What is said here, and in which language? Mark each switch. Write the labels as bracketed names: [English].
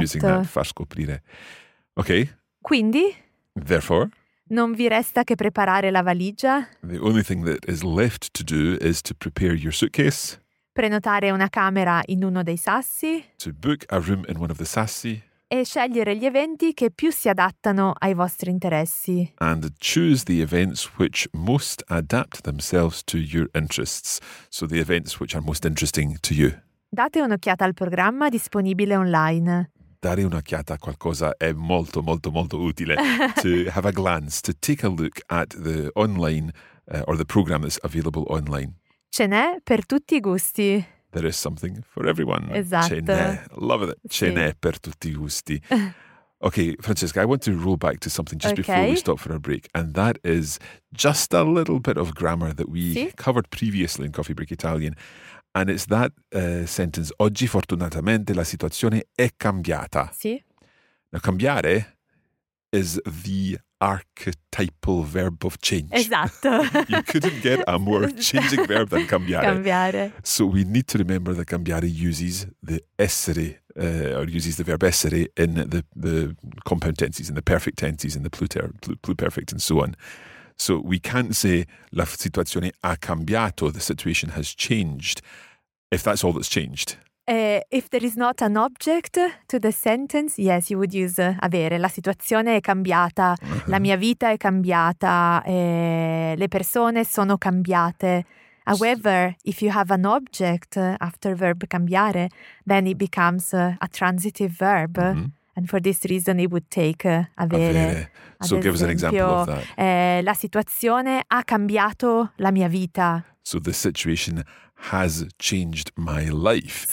[English] using that far scoprire. Okay. [Italian] Quindi? [English] Therefore? [Italian] Non vi resta che preparare la valigia. [English] The only thing that is left to do is to prepare your suitcase. [Italian] Prenotare una camera in uno dei sassi. [English] To book a room in one of the sassi. [Italian] E scegliere gli eventi che più si adattano ai vostri interessi. [English] And choose the events which most adapt themselves to your interests. So the events which are most interesting to you. [Italian] Date un'occhiata al programma disponibile online. Dare un'occhiata a qualcosa è molto, molto, molto utile. [English] To have a glance, to take a look at the online or the program that's available online. [Italian] Ce n'è per tutti I gusti. [English] There is something for everyone. [Italian] Esatto. Ce n'è. [English] Love it. [Italian] Ce n'è per tutti I gusti. [English] Okay, Francesca, I want to roll back to something just okay. before we stop for a break. And that is just a little bit of grammar that we [Italian] sì. [English] covered previously in Coffee Break Italian. And it's that sentence, [Italian] oggi fortunatamente la situazione è cambiata. Sì. [English] Now, cambiare is the archetypal verb of change. [Italian] Esatto. [English] You couldn't get a more changing verb than cambiare. [Italian] Cambiare. [English] So we need to remember that cambiare uses the essere, or uses the verb essere in the compound tenses, in the perfect tenses, in the pluperfect and so on. So we can't say [Italian] la situazione ha cambiato, [English] the situation has changed, if that's all that's changed. If there is not an object to the sentence, yes, you would use avere. [Italian] La situazione è cambiata, la mia vita è cambiata, le persone sono cambiate. [English] However, if you have an object after verb cambiare, then it becomes a transitive verb. Mm-hmm. And for this reason it would take avere. So give us an example of that. [Italian] La situazione ha cambiato la mia vita. [English] So the situation has changed my life.